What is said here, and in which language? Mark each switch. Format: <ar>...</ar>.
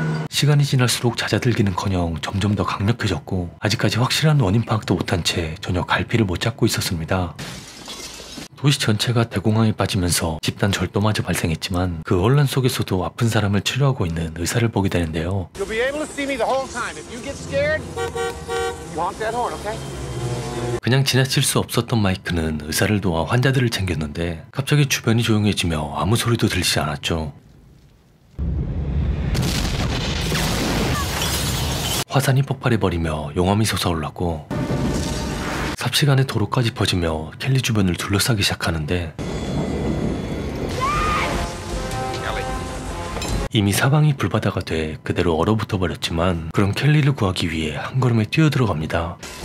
<ko>시간이 지날수록 잦아들기는커녕 점점 더 강력해졌고 아직까지 확실한 원인 파악도 못한 채 전혀 갈피를 못 잡고 있었습니다. 도시 전체가 대공황에 빠지면서 집단 절도마저 발생했지만 그 혼란 속에서도 아픈 사람을 치료하고 있는 의사를 보게 되는데요.</ko> <en>You'll be able to see me the whole time. If you get scared, walk that horn, okay?</en> <ko>그냥 지나칠 수 없었던 마이크는 의사를 도와 환자들을 챙겼는데 갑자기 주변이 조용해지며 아무 소리도 들리지 않았죠. 화산이 폭발해버리며 용암이 솟아올랐고 삽시간에 도로까지 퍼지며 켈리 주변을 둘러싸기 시작하는데 이미 사방이 불바다가 돼 그대로 얼어붙어버렸지만 그런 켈리를 구하기 위해 한 걸음에 뛰어들어갑니다.</ko>